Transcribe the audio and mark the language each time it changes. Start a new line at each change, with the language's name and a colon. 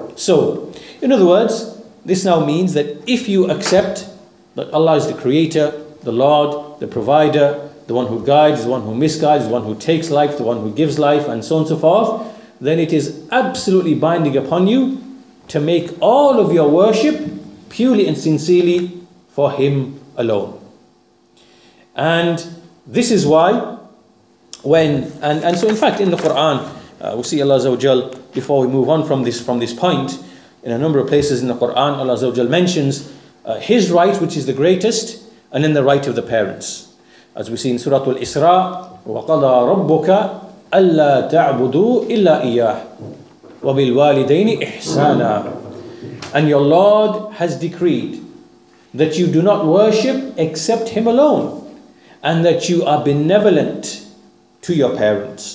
English: So, in other words, this now means that if you accept that Allah is the creator, the Lord, the provider, the one who guides, the one who misguides, the one who takes life, the one who gives life, and so on and so forth, then it is absolutely binding upon you to make all of your worship purely and sincerely for Him alone. And this is why So in fact, in the Quran, we see Allah Azza wa Jal, before we move on from this point, in a number of places in the Quran, Allah Azza wa Jal mentions his right, which is the greatest, and then the right of the parents. As we see in Surah Al-Isra,
Arabic: وَقَضَى رَبُّكَ أَلَّا تَعْبُدُوا إِلَّا إِيَّاهِ وَبِالْوَالِدَيْنِ إِحْسَانًا.
English: And your Lord has decreed that you do not worship except Him alone, and that you are benevolent to your parents.